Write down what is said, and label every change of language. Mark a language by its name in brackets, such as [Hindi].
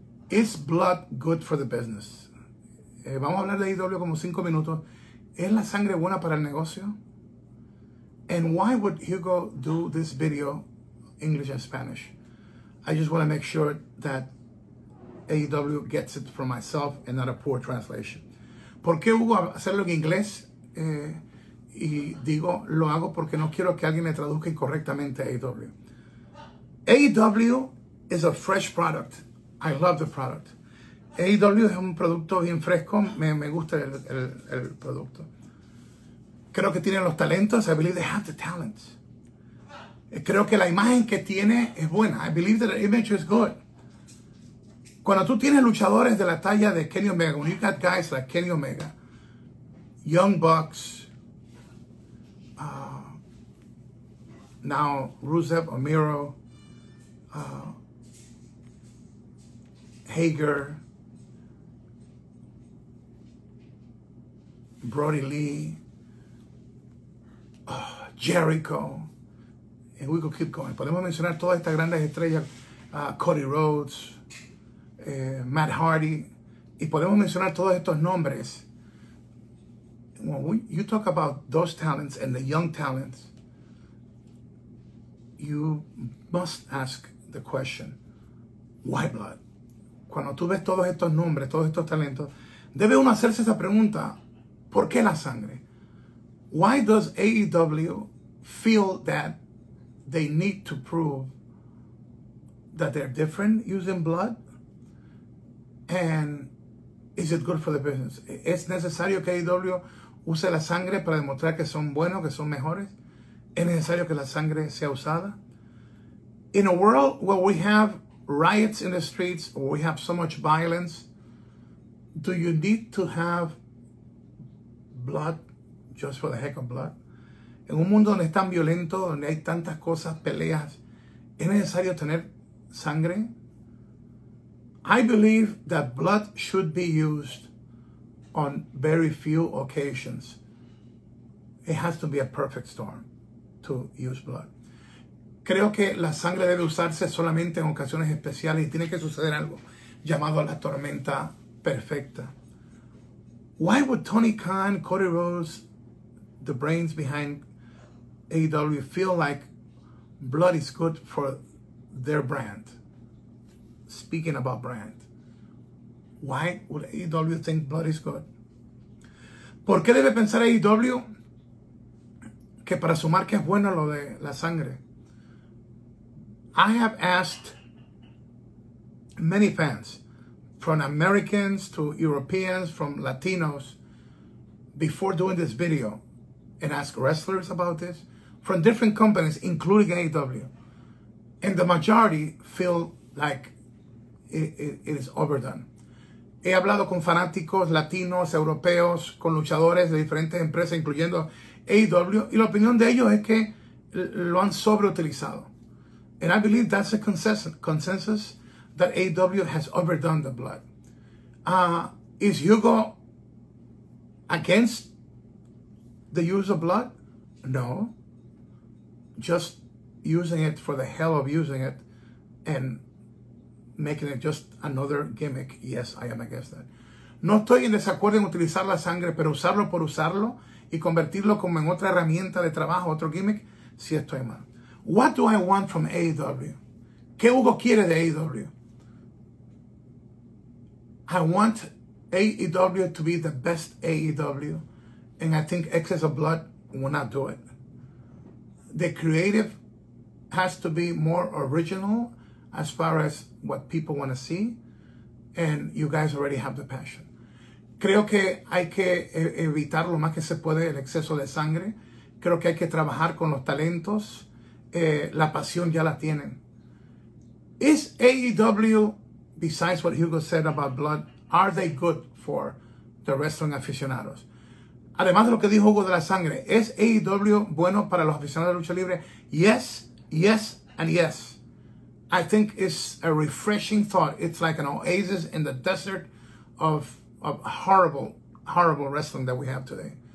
[English] Is blood good for the business? [Spanish] Vamos a hablar de AEW como 5 minutos. ¿Es la sangre buena para el negocio? [English] And why would Hugo do this video English and Spanish? I just want to make sure that AEW gets it from myself and not a poor translation. [Spanish] ¿Por qué Hugo hacerlo en inglés? Y digo, lo hago porque no quiero que alguien me traduzca incorrectamente a AEW. [English] AEW is a fresh product. I love the product. [Spanish] AEW es un producto bien fresco. Me gusta el producto. Creo que tienen los talentos. [English] I believe they have the talents. [Spanish] Creo que la imagen que tiene es buena. [English] I believe that the image is good. [Spanish] Cuando tú tienes luchadores de la talla de Kenny Omega, [English] when you got guys like Kenny Omega, Young Bucks, now Rusev, Omiro, Hager, Brody Lee, Jericho, and we could keep going. [Spanish] Podemos mencionar todas estas grandes estrellas, Cody Rhodes, Matt Hardy, y podemos mencionar todos estos nombres. [English] When you talk about those talents and the young talents, you must ask the question, why blood? [Spanish] Cuando tú ves todos estos nombres, todos estos talentos, debe uno hacerse esa pregunta, ¿por qué la sangre? [English] Why does AEW feel that they need to prove that they're different using blood? And is it good for the business? [Spanish] ¿Es necesario que AEW use la sangre para demostrar que son buenos, que son mejores? ¿Es necesario que la sangre sea usada? [English] In a world where we have riots in the streets, where we have so much violence, do you need to have blood just for the heck of blood? [Spanish] En un mundo donde es tan violento, donde hay tantas cosas, peleas, ¿es necesario tener sangre? [English] I believe that blood should be used on very few occasions. It has to be a perfect storm to use blood. [Spanish] Creo que la sangre debe usarse solamente en ocasiones especiales y tiene que suceder algo llamado la tormenta perfecta. [English] Why would Tony Khan, Cody Rhodes, the brains behind AEW feel like blood is good for their brand? Speaking about brand, why would AEW think blood is good? [Spanish] ¿Por qué debe pensar AEW que para su marca es bueno lo de la sangre? [English] I have asked many fans, from Americans to Europeans, from Latinos, before doing this video, and asked wrestlers about this, from different companies, including AEW, and the majority feel like it is overdone. [Spanish] He hablado con fanáticos latinos, europeos, con luchadores de diferentes empresas, incluyendo AEW, y la opinión de ellos es que lo han sobreutilizado. [English] And I believe that's a consensus that AEW has overdone the blood. Is Hugo against the use of blood? No. Just using it for the hell of using it and making it just another gimmick. Yes, I am against that. [Spanish] No estoy en desacuerdo en utilizar la sangre, pero usarlo por usarlo y convertirlo como en otra herramienta de trabajo, otro gimmick, sí estoy mal. [English] What do I want from AEW? [Spanish] ¿Qué Hugo quiere de AEW? [English] I want AEW to be the best AEW, and I think excess of blood will not do it. The creative has to be more original as far as what people want to see, and you guys already have the passion. [Spanish] Creo que hay que evitar lo más que se puede el exceso de sangre. Creo que hay que trabajar con los talentos. La pasión ya la tienen. [English] Is AEW, besides what Hugo said about blood, are they good for the wrestling aficionados? [Spanish] Además de lo que dijo Hugo de la sangre, ¿es AEW bueno para los aficionados de lucha libre? [English] Yes, yes, and yes. I think it's a refreshing thought. It's like an oasis in the desert of horrible, horrible wrestling that we have today.